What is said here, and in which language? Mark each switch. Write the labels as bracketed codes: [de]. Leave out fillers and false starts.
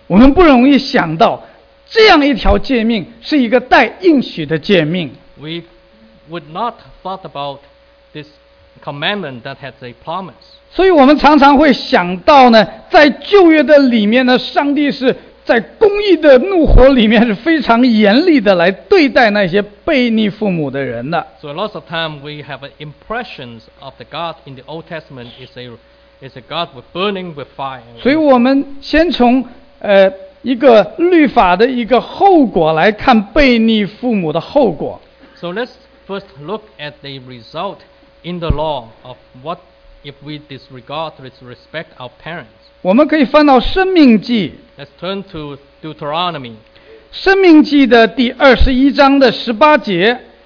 [zh] 我们不容易想到这样一条诫命是一个带应许的诫命。 [en] We would not thought about this commandment that has a promise. [zh] 所以我们常常会想到呢，在旧约的里面呢，上帝是在公义的怒火里面是非常严厉的来对待那些悖逆父母的人的。 [en] So a lot of time we have impressions of the God in the Old Testament is a It's a God with burning with fire. [zh] 所以我们先从一个律法的一个后果来看悖逆父母的后果。 [en] So let's first look at the result in the law of what if we disregard or disrespect our parents. [zh] 我们可以翻到申命记。 [en] Let's turn to Deuteronomy. [zh] 申命记的第二十一章的十八节。